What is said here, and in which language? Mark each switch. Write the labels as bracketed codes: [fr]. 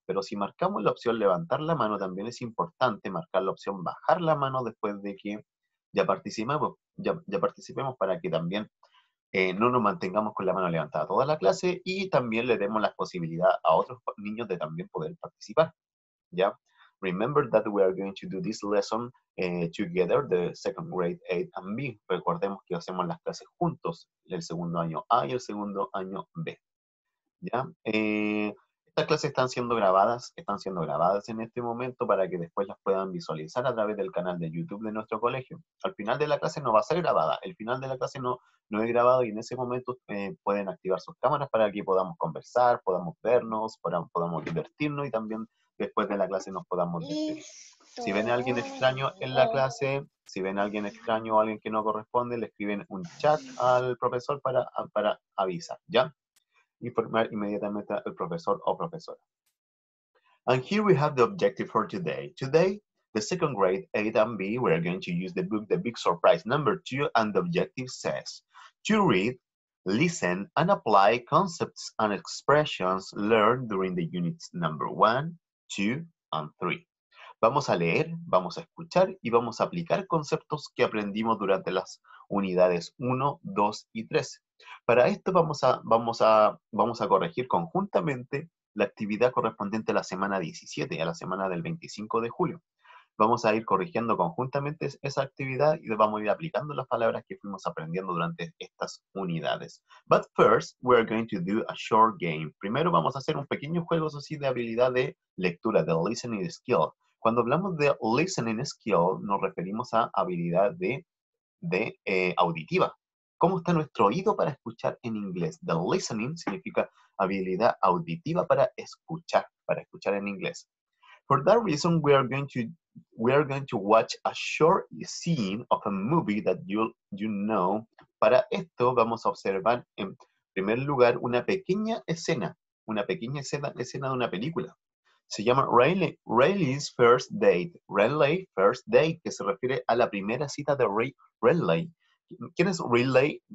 [es] Pero si marcamos la opción levantar la mano, también es importante marcar la opción bajar la mano después de que ya participemos para que también no nos mantengamos con la mano levantada toda la clase y también le demos la posibilidad a otros niños de también poder participar. ¿Ya? [en] Remember that we are going to do this lesson together, the second grade 8 and B. [es] Recordemos que hacemos las clases juntos, el segundo año A y el segundo año B. ¿Ya? Estas clases están siendo grabadas en este momento para que después las puedan visualizar a través del canal de YouTube de nuestro colegio. Al final de la clase no va a ser grabada, el final de la clase no es grabado y en ese momento pueden activar sus cámaras para que podamos conversar, podamos vernos, podamos divertirnos y también después de la clase nos podamos despedir. Si ven a alguien extraño en la clase, si ven a alguien extraño o alguien que no corresponde, le escriben un chat al profesor para avisar, ¿ya? Informar inmediatamente al profesor o profesora. [en] And here we have the objective for today. Today, the second grade, A and B, we are going to use the book, The Big Surprise, number 2, and the objective says to read, listen, and apply concepts and expressions learned during the units number 1, 2, and 3. [es] Vamos a leer, vamos a escuchar, y vamos a aplicar conceptos que aprendimos durante las unidades 1, 2 y 3. Para esto vamos a corregir conjuntamente la actividad correspondiente a la semana 17, a la semana del 25 de julio. Vamos a ir corrigiendo conjuntamente esa actividad y vamos a ir aplicando las palabras que fuimos aprendiendo durante estas unidades. [en] But first, we are going to do a short game. [es] Primero vamos a hacer un pequeño juego así de habilidad de lectura, de listening skill. Cuando hablamos de listening skill, nos referimos a habilidad de auditiva. ¿Cómo está nuestro oído para escuchar en inglés? The listening significa habilidad auditiva para escuchar en inglés. [en] For that reason, we are going to watch a short scene of a movie that you know. [es] Para esto, vamos a observar en primer lugar una pequeña escena de una película. Se llama Riley's First Date. Riley's First Date, que se refiere a la primera cita de Riley. ¿Quién es Riley?